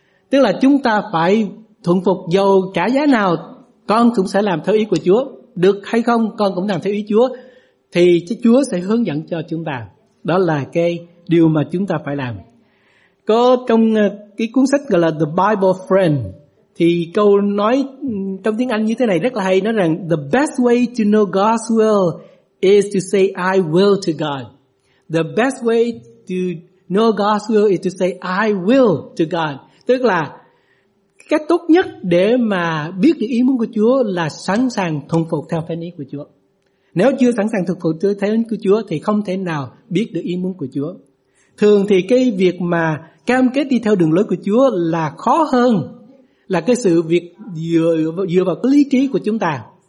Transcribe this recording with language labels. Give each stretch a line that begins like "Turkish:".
Vietnamese: Tức là chúng ta phải thuận phục, dầu trả giá nào con cũng sẽ làm theo ý của Chúa. Được hay không con cũng làm theo ý Chúa, thì Chúa sẽ hướng dẫn cho chúng ta. Đó là cái điều mà chúng ta phải làm. Có trong cái cuốn sách gọi là The Bible Friend, thì câu nói trong tiếng Anh như thế này rất là hay. Nói rằng:
English: the best way to know God's will is to say I will to God. The best way to know God's will is to say I will to God.
Vietnamese: Tức là cách tốt nhất để mà biết được ý muốn của Chúa là sẵn sàng thuận phục theo phán ý của Chúa. Nếu chưa sẵn sàng thuận phục theo phán ý của Chúa thì không thể nào biết được ý muốn của Chúa. Thường thì cái việc mà cam kết đi theo đường lối của Chúa là khó hơn là cái sự việc dựa vào cái lý trí của chúng ta.